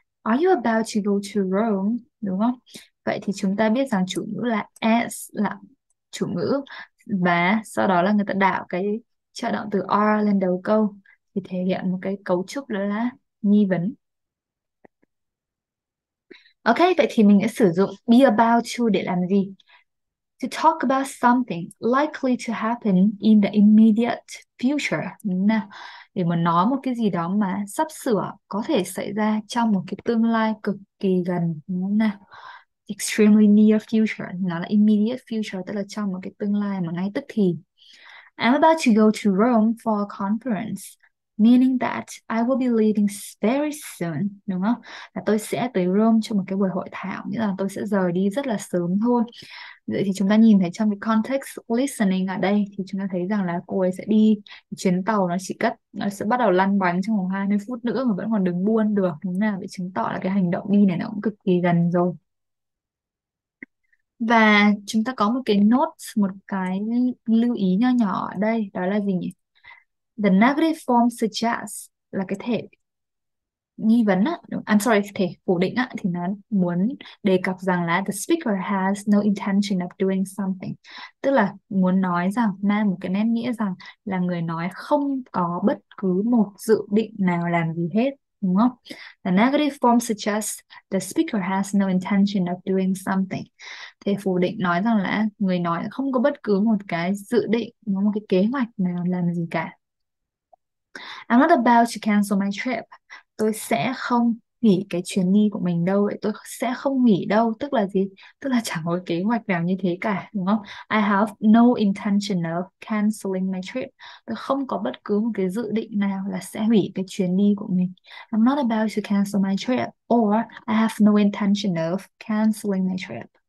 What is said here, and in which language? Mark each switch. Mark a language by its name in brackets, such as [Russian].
[English] Are you about to go to Rome? [Vietnamese] Đúng không? Vậy thì chúng ta biết rằng chủ ngữ là as, là chủ ngữ, và sau đó là người ta đảo cái trợ động từ are lên đầu câu, thì thể hiện một cái cấu trúc đó là nghi vấn. Ok, vậy thì mình sẽ sử dụng be about to để làm gì? [English] To talk about something likely to happen in the immediate future. [Vietnamese] Now, để mà nói một cái gì đó mà sắp sửa có thể xảy ra trong một cái tương lai cực kỳ gần. [English] Now, extremely near future. [Vietnamese] Nó là immediate future, tức là trong một cái tương lai mà ngay tức thì. [English] I'm about to go to Rome for a conference, meaning that I will be leaving very soon, [Vietnamese] đúng không? Là tôi sẽ tới Rome cho một cái buổi hội thảo, nghĩa là tôi sẽ rời đi rất là sớm thôi. Vậy thì chúng ta nhìn thấy trong cái context listening ở đây thì chúng ta thấy rằng là cô ấy sẽ đi chuyến tàu, nó chỉ cất, nó sẽ bắt đầu lăn bánh trong khoảng 20 phút nữa mà vẫn còn đứng buôn được, đúng không? Vậy chứng tỏ là cái hành động đi này nó cũng cực kỳ gần rồi. Và chúng ta có một cái note, một cái lưu ý nho nhỏ ở đây, đó là gì nhỉ? [English] The negative form suggests [Vietnamese] là cái thể nghi vấn á, [English] I'm sorry, [Vietnamese] thể phủ định á, thì nó muốn đề cập rằng là [English] the speaker has no intention of doing something. [Vietnamese] Tức là muốn nói rằng, mang một cái nét nghĩa rằng là người nói không có bất cứ một dự định nào làm gì hết, đúng không? [English] The negative form suggests the speaker has no intention of doing something. [Vietnamese] Thể phủ định nói rằng là người nói không có bất cứ một cái dự định, đúng không? Một cái kế hoạch nào làm gì cả. [English] I'm not about to cancel my trip. [Vietnamese] Tôi sẽ không nghỉ cái chuyến đi của mình đâu. Vậy tôi sẽ không nghỉ đâu. Tức là gì? Tức là chẳng có kế hoạch nào như thế cả, đúng không? [English] I have no intention of canceling my trip. [Vietnamese] Tôi không có bất cứ một cái dự định nào là sẽ hủy cái chuyến đi của mình. [English] I'm not about to cancel my trip, or I have no intention of canceling my trip.